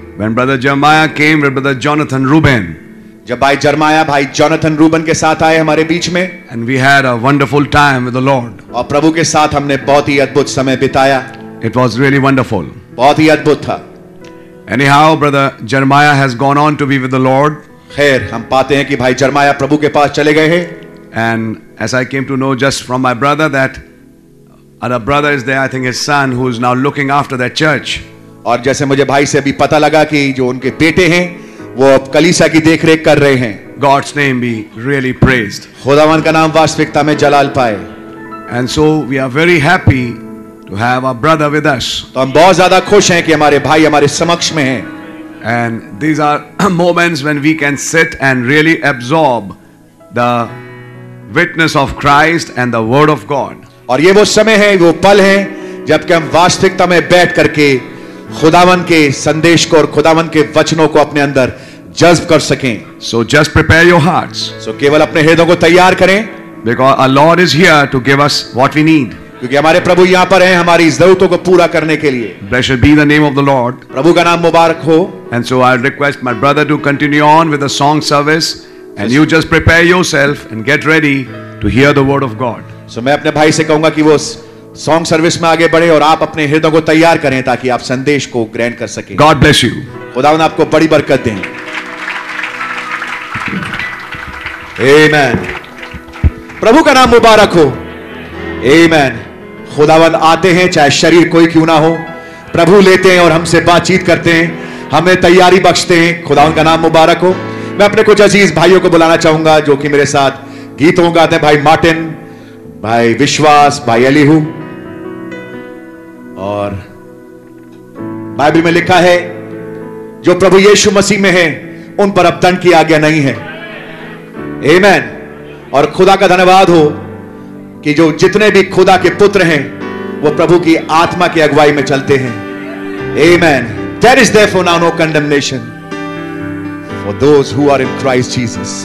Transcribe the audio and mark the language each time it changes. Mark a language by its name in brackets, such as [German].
[English] when brother Jeremiah came with brother Jonathan Rubin [Hindi] जब भाई Jeremiah भाई जोनाथन रूबन के साथ आए हमारे बीच में [English] and we had a wonderful time with the Lord [Hindi] और प्रभु के साथ हमने बहुत ही अद्भुत समय बिताया [English] it was really wonderful [Hindi] बहुत ही अद्भुत था [English] anyhow brother Jeremiah has gone on to be with the Lord [Hindi] खैर हम पाते हैं कि भाई जर्माया प्रभु के पास चले गए हैं [English] and as I came to know just from my brother that another brother is there I think his son who is now looking after that church [Hindi] और जैसे मुझे भाई से अभी पता लगा कि जो उनके बेटे हैं वो अब कलीसिया की देखरेख कर रहे हैं. [English] God's name be really praised. [Hindi] खुदावंद का नाम वास्तविकता में जलाल पाए. [English] And so we are very happy to have our brother with us. [Hindi] तो हम बहुत ज्यादा खुश हैं कि हमारे भाई हमारे समक्ष में हैं. [English] And these are moments when we can sit and really absorb the witness of Christ and the word of God. [Hindi] और ये वो समय है वो पल है जबकि हम वास्तविकता में बैठ करके खुदावन के संदेश को और खुदावन के वचनों को अपने अंदर जज्ब कर सकें. [English] So just prepare your hearts. [Hindi] So केवल अपने हृदयों को तैयार करें. [English] Because our Lord is here to give us what we need. [Hindi] क्योंकि हमारे प्रभु यहाँ पर हैं हमारी जरूरतों को पूरा करने के लिए. [English] Blessed be the name of the Lord. [Hindi] प्रभु का नाम मुबारक हो. [English] And so I request my brother to continue on with the song service. And you just prepare yourself and get ready to hear the word of God. [Hindi] So मैं अपने भाई से कहूंगा कि वो सॉन्ग सर्विस में आगे बढ़े और आप अपने हृदयों को तैयार करें ताकि आप संदेश को ग्रहण कर सकें. [English] God bless you. [Hindi] खुदावन आपको बड़ी बरकत दें. Amen. प्रभु का नाम मुबारक हो. Amen. खुदावन आते हैं चाहे शरीर कोई क्यों ना हो. प्रभु लेते हैं और हमसे बातचीत करते हैं हमें तैयारी बख्शते हैं. खुदावन का नाम मुबारक हो. मैं अपने कुछ अजीज भाइयों को बुलाना चाहूंगा जो कि मेरे साथ गीतों गाते हैं. भाई मार्टिन, भाई विश्वास, भाई अलीहू. और बाइबल में लिखा है जो प्रभु यीशु मसीह में है उन पर अब दंड की आज्ञा नहीं है. आमेन. और खुदा का धन्यवाद हो कि जो जितने भी खुदा के पुत्र हैं वो प्रभु की आत्मा की अगुवाई में चलते हैं. आमेन. [English] There is therefore now no condemnation for those who are in Christ Jesus.